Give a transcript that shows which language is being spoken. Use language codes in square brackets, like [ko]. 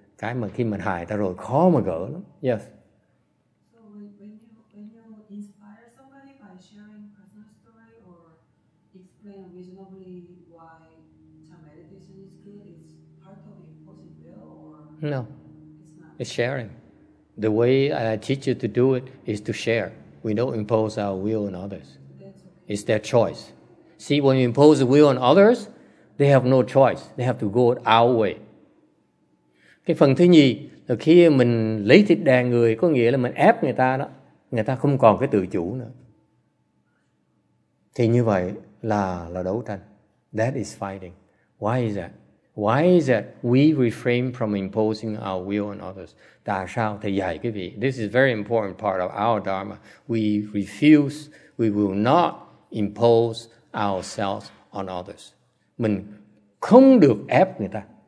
[vi] Cái mà khi mình hại ta rồi khó mà gỡ lắm. [en] Yes. So when you inspire somebody by sharing personal story or explain reasonably why some meditation is good, it's part of imposing will or no? It's sharing. The way I teach you to do it is to share. We don't impose our will on others. Okay. It's their choice. See, when you impose a will on others, they have no choice. They have to go our way. [vi] Cái phần thứ nhì là khi mình lấy thịt đè người, có nghĩa là mình ép người ta đó, người ta không còn cái tự chủ nữa. Thì như vậy là đấu tranh. [en] That is fighting. Why is that? Why is that we refrain from imposing our will on others? [vi] Tại sao thầy dạy quý vị? [en] This is a very important part of our Dharma. We refuse, we will not impose ourselves on others. [vi] Mình không được ép người ta.